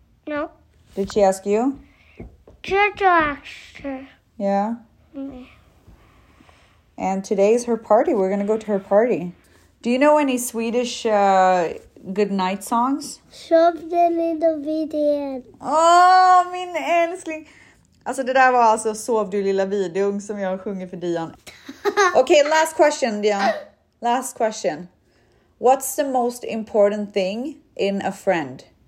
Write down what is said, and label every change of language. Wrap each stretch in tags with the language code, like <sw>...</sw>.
<en>No. Did she ask you? Jojo asked her. Yeah? And today's her party. We're going to go to her party. Do you know any Swedish goodnight songs?</en> <sv>Sovden i videon. Åh, min älskling. Alltså det där var alltså Sov du lilla videon som jag sjunger för Dion.</sv> <en>Okay, last question, Dion. Last question. What's the most important thing in a friend?</en>